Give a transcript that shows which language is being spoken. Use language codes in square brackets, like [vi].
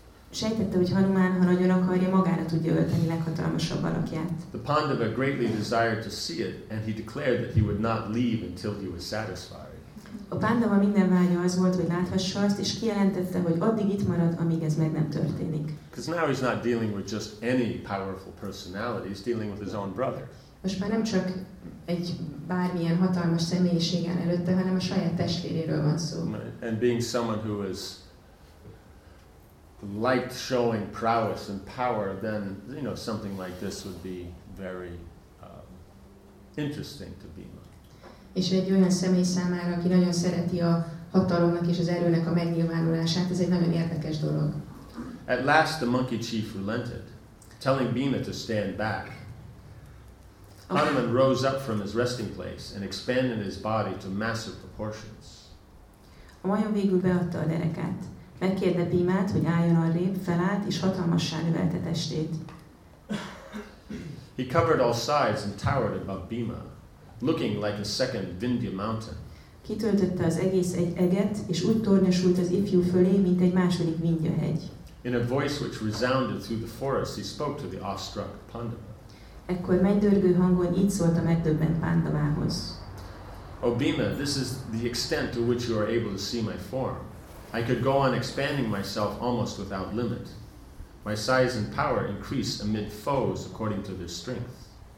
[hu] Sejtette, hogy Hanuman, ha nagyon akarja, magára tudja ölteni leghatalmasabb alakját. [en] The Pandava greatly desired to see it, and he declared that he would not leave until he was satisfied. [hu] A Pandava minden vágya az volt, hogy láthassa azt, és kijelentette, hogy addig itt marad, amíg ez meg nem történik. [en] Because now he's not dealing with just any powerful personality, he's dealing with his own brother. [hu] Most már nem csak egy bármilyen hatalmas személyiségen előtte, hanem a saját testvéréről van szó. [en] And being someone who is liked showing prowess and power, then you know something like this would be very interesting to Bhima. [hu] És egy olyan személy számára, aki nagyon szereti a hatalomnak és az erőnek a megnyilvánulását, ez egy nagyon érdekes dolog. [en] At last, the monkey chief relented, telling Bhima to stand back. Hanuman rose up from his resting place and expanded his body to massive proportions. [hu] A majom végül beadta a derekát. Megkérde Bhimát, hogy álljon arrébb, felállt, és hatalmassá növelte testét. [en] He covered all sides and towered above Bhima, looking like a second Vindhya mountain. [hu] Kitöltötte az egész eget, és úgy tornyosult az ifjú fölé, mint egy második Vindhya hegy. [en] In a voice which resounded through the forest, he spoke to the awestruck Pandava. [hu] Ekkor mennydörgő hangon így szólt a megdöbbent Pandavához. [en] O Bhima, this is the extent to which you are able to see my form. I could go on expanding myself almost without limit. My size and power increase amid foes according to their strength.